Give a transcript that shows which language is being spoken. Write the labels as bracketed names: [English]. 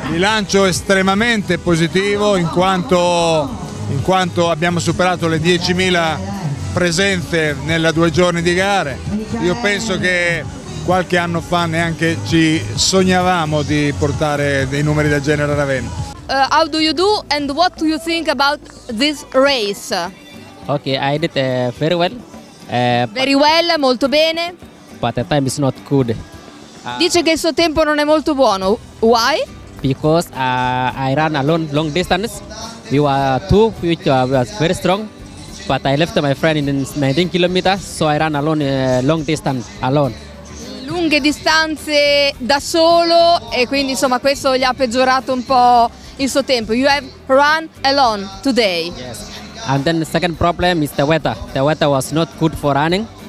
[Italian] Bilancio estremamente positivo in quanto abbiamo superato le 10.000 presenze nelle due giorni di gare. Io penso che qualche anno fa neanche ci sognavamo di portare dei numeri del genere a Ravenna. [English] How do you do and what do you think about this race? Okay, I did very well. Very well, [Italian] molto bene. [English] But the time is not good. [Italian] Dice che il suo tempo non è molto buono. [English] Why? Because I ran a long distance. We were two, which was very strong. But I left my friend in 19 km, so I ran alone long distance alone. [Italian] Lunghe distanze da solo, e quindi insomma questo gli ha peggiorato un po' il suo tempo. [English] You have run alone today. Yes. And then the second problem is the weather. The weather was not good for running.